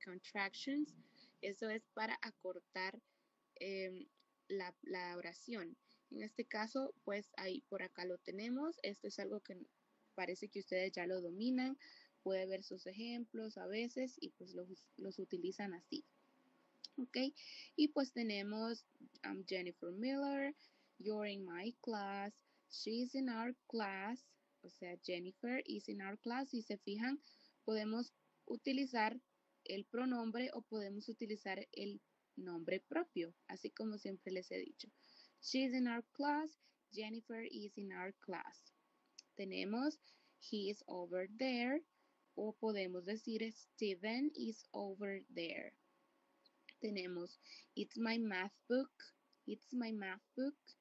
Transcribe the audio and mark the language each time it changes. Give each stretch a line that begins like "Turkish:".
Spanish: Contractions, eso es para acortar la oración. En este caso, pues ahí por acá lo tenemos. Esto es algo que parece que ustedes ya lo dominan. Puede ver sus ejemplos a veces y pues los utilizan así. ¿Ok? Y pues tenemos
English: I'm Jennifer Miller. You're in my class, she's in our class,
Spanish: o sea,
English: Jennifer is in our class.
Spanish: Si se fijan, podemos utilizar el pronombre o podemos utilizar el nombre propio, así como siempre les he dicho.
English: She's in our class, Jennifer is in our class.
Spanish: Tenemos,
English: he is over there,
Spanish: o podemos decir,
English: Steven is over there.
Spanish: Tenemos,
English: it's my math book, it's my math book.